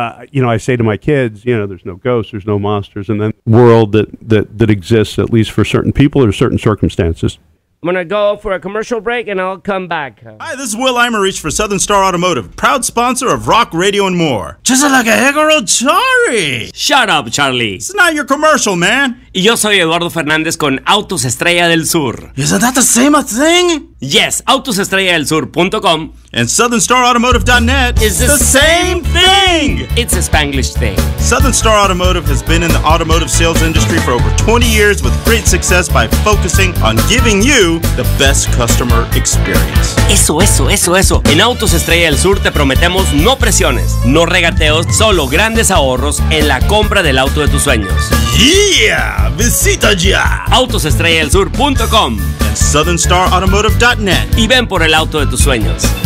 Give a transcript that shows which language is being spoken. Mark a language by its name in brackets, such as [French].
[English] You know, I say to my kids, you know, there's no ghosts, there's no monsters, and then world that exists at least for certain people or certain circumstances. I'm going to go for a commercial break, and I'll come back. Hi, this is Will Eimerich for Southern Star Automotive, proud sponsor of Rock Radio and More. Just like a Hegoro Charlie. Shut up, Charlie. It's not your commercial, man. [Spanish] Y yo soy Eduardo Fernández con Autos Estrella del Sur. [English] Isn't that the same thing? Yes, autosestrelladelsur.com. And southernstarautomotive.net is the same thing. It's a Spanglish thing. Southern Star Automotive has been in the automotive sales industry for over 20 years with great success by focusing on giving you the best customer experience. [Spanish] Eso, eso, eso, eso. En Autos Estrella del Sur te prometemos no presiones, no regateos, solo grandes ahorros en la compra del auto de tus sueños. [English] Yeah! [Spanish] visita ya AutosEstrellaDelSur.com [English] and SouthernStarAutomotive.net [Spanish] y ven por el auto de tus sueños.